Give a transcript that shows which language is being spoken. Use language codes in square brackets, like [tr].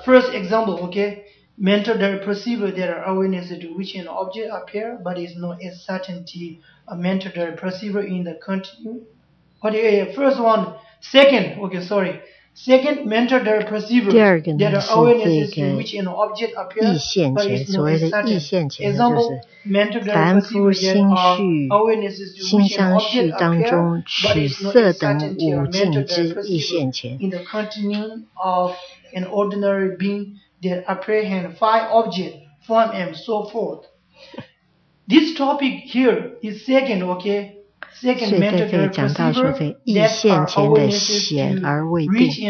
[en] First example, okay? Mental direct perceiver, there are awareness to which an object appear, but it's not a certainty, a mental direct perceiver in the continuum. But, first one, second, okay, sorry. Second, mental there are perceivers. [zh] 第二个呢 [en] there are [zh] 是这个意现前，所谓的意现前就是凡夫心绪、心相绪当中取色等五境之意现前。 [en] In the continuum of an ordinary being, there apprehend five objects, form and so forth. This topic here is second, okay? [zh] 所以在这里讲到说这意现前的显而未定。